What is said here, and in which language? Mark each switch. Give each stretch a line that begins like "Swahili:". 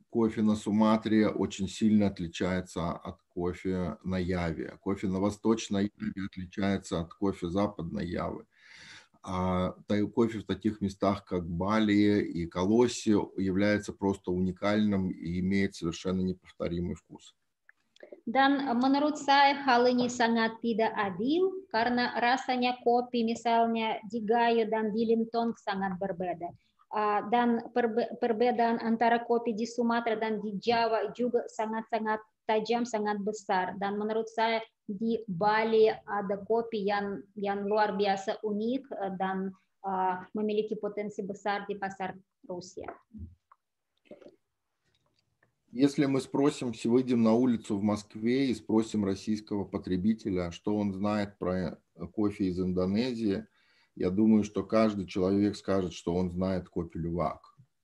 Russian: Кофе на Суматре очень сильно отличается от кофе на Яве. Кофе на Восточной Яве отличается от кофе Западной Явы. А кофе в таких местах, как Бали и Колосси, является просто уникальным и имеет совершенно неповторимый вкус.
Indonesian: Dan menurut saya hal ini sangat tidak adil karena rasanya kopi misalnya di Gayo dan di Lintong sangat berbeda. Dan perbedaan antara kopi di Sumatera dan di Jawa juga sangat-sangat tajam, sangat besar. Dan menurut saya di Bali ada kopi yang luar biasa unik dan memiliki potensi besar di pasar Rusia.
Russian: Если мы спросим, выйдем на улицу в Москве и спросим российского потребителя, что он знает про кофе из Индонезии, я думаю, что каждый человек скажет, что он знает кофе Лювак.